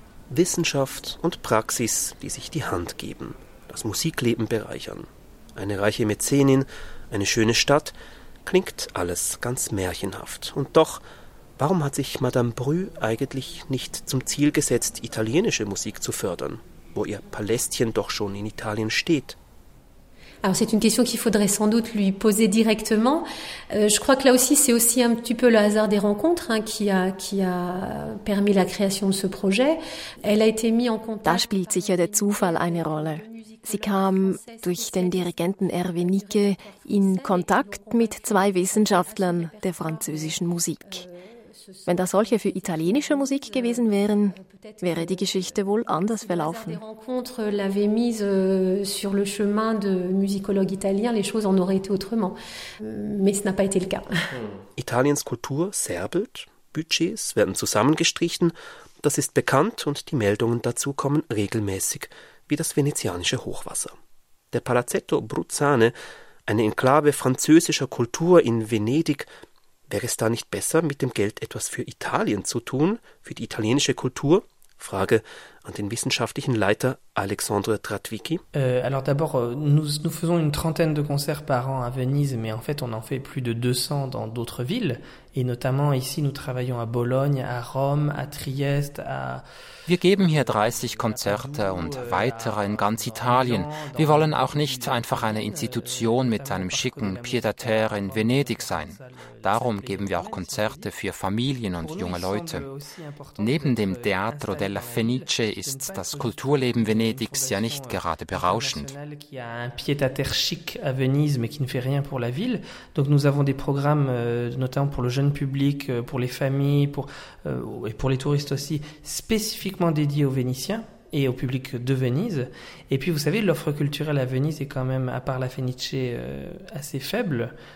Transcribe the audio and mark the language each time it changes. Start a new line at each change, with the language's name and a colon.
German: Wissenschaft und Praxis, die sich die Hand geben, das Musikleben bereichern. Eine reiche Mäzenin, eine schöne Stadt, klingt alles ganz märchenhaft. Und doch, warum hat sich Madame Brü eigentlich nicht zum Ziel gesetzt, italienische Musik zu fördern, wo ihr Palästchen doch schon in Italien steht?
French: Alors c'est une question qu'il faudrait sans doute lui poser directement. Je crois que là aussi c'est aussi un petit peu le hasard des rencontres hein, qui a permis la création de ce projet. Elle a été mise en contact.
German: Da spielt sicher der Zufall eine Rolle. Sie kam durch den Dirigenten Hervé Nicke in Kontakt mit zwei Wissenschaftlern der französischen Musik. Wenn das solche für italienische Musik gewesen wären, wäre die Geschichte wohl anders verlaufen.
French: Les rencontres l'avaient mise sur le chemin de musicologues italiens, les choses en auraient été autrement. Mais ce n'a pas été le cas.
German: Italiens Kultur serbelt, Budgets werden zusammengestrichen, das ist bekannt und die Meldungen dazu kommen regelmäßig, wie das venezianische Hochwasser. Der Palazzetto Bruzzane, eine Enklave französischer Kultur in Venedig, wäre es da nicht besser, mit dem Geld etwas für Italien zu tun, für die italienische Kultur? Frage an den wissenschaftlichen Leiter Alexandre Tratwicki.
French: Alors d'abord, nous faisons une trentaine de concerts par an à Venise, mais en fait, on en fait plus de 200 dans d'autres villes. Et notamment ici, nous travaillons à Bologne, à Rome, à Trieste, à...
German: Wir geben hier 30 Konzerte und weitere in ganz Italien. Wir wollen auch nicht einfach eine Institution mit einem schicken Pied-à-terre in Venedig sein. Darum geben wir auch Konzerte für Familien und junge Leute. Neben dem Teatro della Fenice ist das Kulturleben Venedigs ja nicht gerade berauschend.
French: Pied-à-terre chic à Venise, mais qui ne fait rien pour la ville. Donc nous avons des programmes, notamment pour le jeune public, pour les familles, et pour les touristes aussi, spécifiquement dédiés aux Vénitiens et au public de Venise. Et puis vous savez, l'offre culturelle à Venise est quand même, à part la Fenice, assez faible.